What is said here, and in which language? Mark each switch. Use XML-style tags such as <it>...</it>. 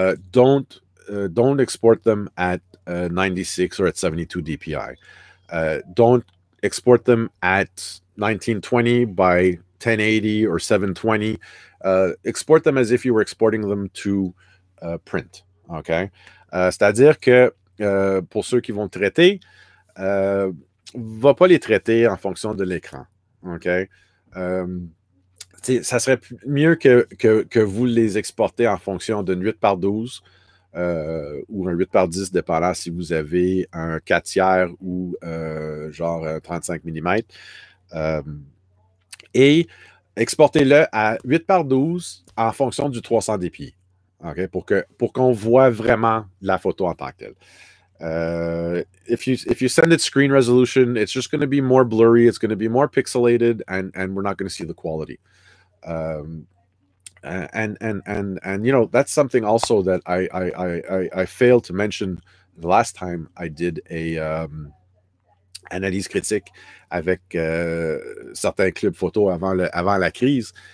<en>Don't export them at 96 or at 72 DPI. Don't export them at 1920 by 1080 or 720. Export them as if you were exporting them to print. Okay.</en> <fr>C'est-à-dire que pour ceux qui vont traiter, va pas les traiter en fonction de l'écran. Okay. Ça serait mieux que vous les exportez en fonction d'une 8x12 ou un 8x10, dépendant si vous avez un 4 tiers ou genre 35 mm. Et exportez-le à 8x12 en fonction du 300 dpi. Okay? Pour qu'on voit vraiment la photo en tant que telle.</fr> <en>If you send it screen resolution, it's just going to be more blurry, it's going to be more pixelated, and we're not going to see the quality. And you know, that's something also that I failed to mention the last time I did a</en> <fr>analyse critique avec certains clubs photo avant la crise.</fr>